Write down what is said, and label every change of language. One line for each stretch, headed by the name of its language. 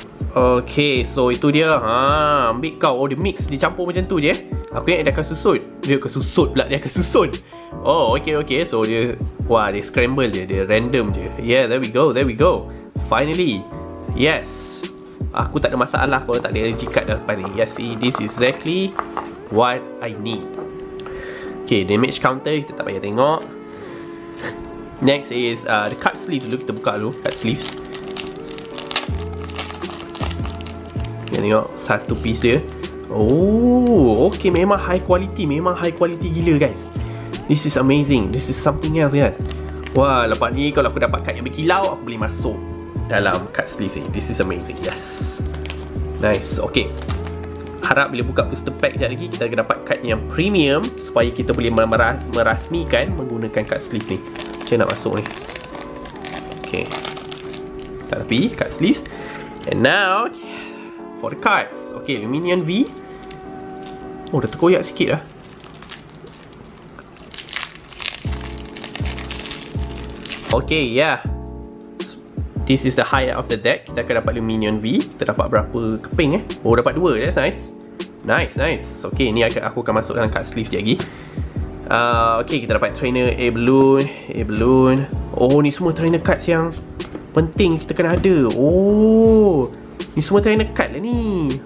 Malay: Okay, so itu dia. Haa, ambil kau. Oh, dia mix. Dia campur macam tu je. Aku ingat dia akan susut. Dia akan susut pula. Dia akan susun. Oh, okay, okay. So, dia... Wah, dia scramble je. Dia random je.
English: Yeah, there we go. There we go. Finally. Yes.
Malay: Aku tak ada masalah kalau tak ada energy card depan ni.
English: Yes, see. This is exactly what I need. Okay, damage counter.
Malay: Kita tak payah tengok.
English: Next is the card sleeve dulu.
Malay: Kita buka dulu.
English: Card sleeves.
Malay: Tengok satu piece dia. Oh, okay, memang high quality. Memang high quality gila,
English: guys. This is amazing. This is something else, guys.
Malay: Wah, lepas ni kalau aku dapat card yang berkilau, aku boleh masuk dalam card sleeve ni.
English: This is amazing.
Malay: Yes. Nice. Okay. Harap bila buka booster pack sekejap lagi, kita akan dapat card yang premium supaya kita boleh merasmikan menggunakan card sleeve ni. Macam nak masuk ni. Okay. Tak tapi, card sleeve.
English: And now, okay, for the cards. Okay, Luminion V.
Malay: Oh, dah terkoyak sikit lah.
English: Okay, yeah. This is the high of the deck.
Malay: Kita akan dapat Luminion V. Kita dapat berapa keping eh? Oh, dapat 2.
English: That's nice. Nice, nice.
Malay: Okay, ni aku akan masuk dalam card sleeve lagi. Okay, kita dapat trainer A balloon. Oh, ni semua trainer cards yang penting kita kena ada. Oh, ni semua trainer card lah ni.